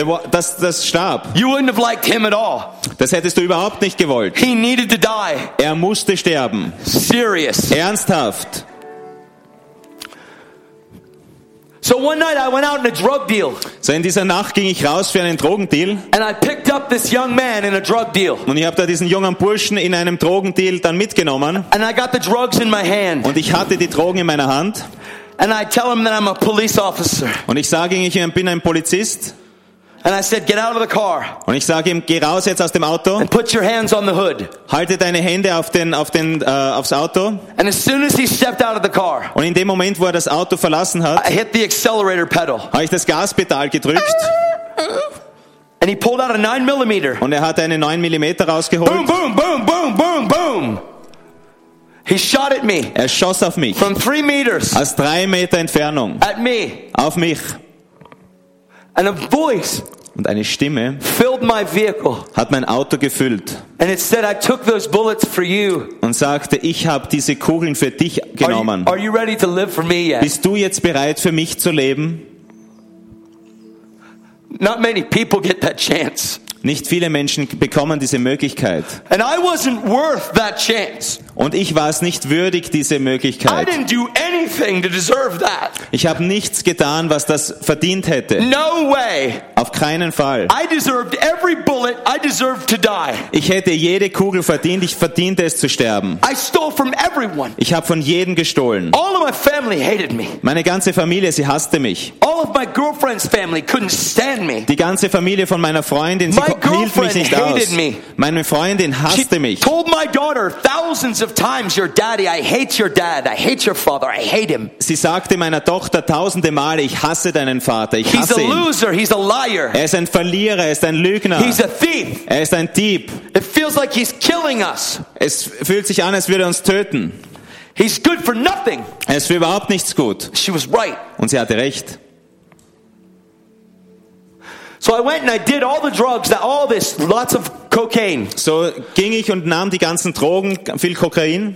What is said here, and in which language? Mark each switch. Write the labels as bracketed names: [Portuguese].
[German] Das starb. [English] You wouldn't have liked him at all. [German] Das hättest du überhaupt nicht gewollt. [English] He needed to die. [German] Er musste sterben. [English] Serious. [German] Ernsthaft. [English] So one night I went out in a drug deal. [German] So in dieser Nacht ging ich raus für einen Drogendeal. [English] And I picked up this young man in a drug deal. [German] Und ich habe da diesen jungen Burschen in einem Drogendeal dann mitgenommen. [English] And I got the drugs in my hand. [German] Und ich hatte die Drogen in meiner Hand. [English] And I tell him that I'm a police officer. [German] Und ich sage ihm, ich bin ein Polizist. [English] And I said, get out of the car. [German] Und ich sage ihm, geh raus jetzt aus dem Auto. [English] And put your hands on the hood. [German] Halte deine Hände aufs Auto. [English] And as soon as he stepped out of the car. [German] Und in dem Moment, wo er das Auto verlassen hat, [English] I hit the accelerator pedal. [German] Habe ich das Gaspedal gedrückt. [English] And he pulled out a 9mm. [German] Und er hat eine 9mm rausgeholt. [English] Boom, boom, boom, boom, boom, boom. He shot at me. [German] Er schoss auf mich. [English] From 3 meters. [German] Aus 3 Meter Entfernung. [English] At me. [German] Auf mich. [English] And a voice. [German] Und eine Stimme [English] filled my vehicle. [German] Hat mein Auto gefüllt. [English] And it said, I took those bullets for you. [German] Und sagte, ich habe diese Kugeln für dich genommen. [English] Are you ready to live for me yet? [German] Bist du jetzt bereit für mich zu leben? [English] Not many people get that chance. [German] Nicht viele Menschen bekommen diese Möglichkeit. [English] And I wasn't worth that chance. [German] Und ich war es nicht würdig, diese Möglichkeit. [English] I didn't do anything to deserve that. [German] Ich habe nichts getan, was das verdient hätte. [English] No way. [German] Auf keinen Fall. [English] I deserved every bullet. I deserved to die. [German] Ich hätte jede Kugel verdient. Ich verdiente es zu sterben. [English] I stole from everyone. [German] Ich habe von jedem gestohlen. [English] All of my family hated me. [German] Meine ganze Familie, sie hasste mich. [English] All of my girlfriend's family couldn't stand me. [German] Die ganze Familie von meiner Freundin, sie hielt mich nicht aus. [English] Hated me. [German] Meine Freundin hasste mich. [English] She told my daughter thousands of times, your daddy, I hate your dad, I hate your father, I hate him. [German] Sie sagte meiner Tochter tausende Male, ich hasse deinen Vater, ich hasse ihn. [English] He's a loser, he's a liar. [German] Er ist ein Verlierer, er ist ein Lügner. [English] He's a thief. [German] Er ist ein Dieb. [English] It feels like he's killing us. [German] Es fühlt sich an, als würde er uns töten. [English] He's good for nothing. [German] Er ist für überhaupt nichts gut. [English] She was right. [German] Und sie hatte recht. [English] So I went and I did all the drugs, all this, lots of cocaine. [German] So ging ich und nahm die ganzen Drogen, viel Kokain.